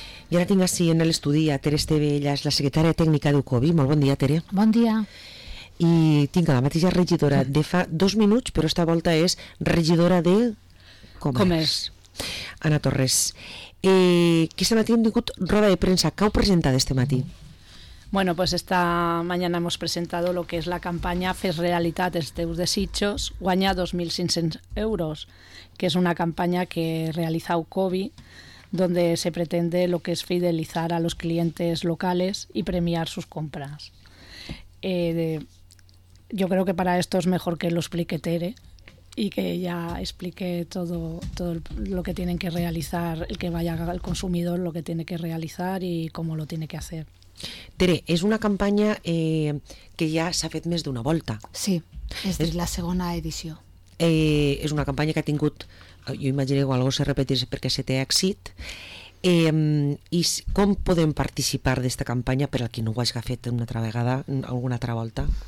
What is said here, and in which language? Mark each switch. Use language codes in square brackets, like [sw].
[ca] I ara tinc ací en l'estudi a Tere Esteve, ella és la secretària tècnica d'UCOBI. Molt bon dia, Tere. Bon dia. I tinc la mateixa regidora de fa dos minuts, però esta volta és regidora de Comerç. Comerç. Anna Torres. Que esta matí hem tingut roda de premsa. Què heu presentat este matí? [es] Bueno, pues esta mañana hemos presentado lo que es la campaña [ca] Fes realitat els teus desitjos, guanya 2.500 euros, que és una campanya que realitza UCOBI, [es] donde se pretende lo que es fidelizar a los clientes locales y premiar sus compras. Yo creo que para esto es mejor que lo explique Tere y que ella explique todo lo que tienen que realizar, el que vaya al consumidor, lo que tiene que realizar y cómo lo tiene que hacer. Tere, es una campaña que ya se ha [ca] fet més d'una volta. Sí, es la segona edició. És una campanya que ha tingut, jo imagino que algú se repetís perquè se té èxit. I com podem participar d'esta campanya per al qui no ho hagi fet una altra vegada, alguna altra volta?